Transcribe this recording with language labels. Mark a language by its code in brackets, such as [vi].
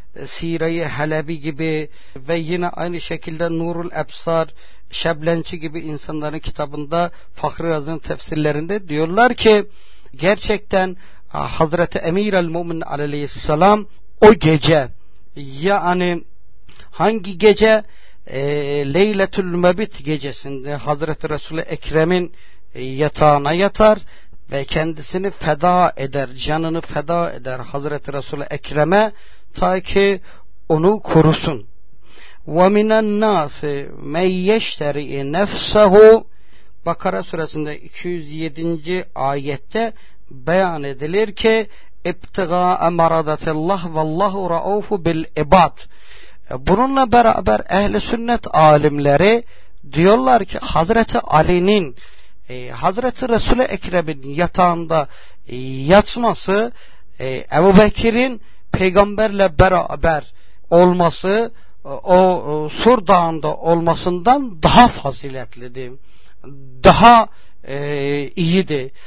[tr] Sire-i Halebi gibi ve yine aynı şekilde Nurul Ebsar, Şeblenci gibi insanların kitabında Fahri Razı'nın tefsirlerinde diyorlar ki gerçekten Hazreti Emir el-Mumin aleyhisselam o gece, yani hangi gece? Leyletül Mebit gecesinde Hazreti Resul-i Ekrem'in yatağına yatar ve kendisini feda eder, canını feda eder Hazreti Resul-i Ekrem'e ta ki onu korusun. [ar] وَمِنَ النَّاسِ مَنْ يَشْتَرِئِ نَفْسَهُ [tr] Bakara suresinde 207. ayette beyan edilir ki [ar] اِبْتِغَاءَ مَرَضَةِ اللّٰهِ وَاللّٰهُ رَعُوفُ بِالْاِبَاتِ [tr] Bununla beraber ehl-i sünnet alimleri diyorlar ki Hazreti Ali'nin Hazreti Resul-i Ekrem'in yatağında yatması, Ebu Bekir'in peygamberle beraber olması, o Sur Dağı'nda olmasından daha faziletliydi, daha iyiydi.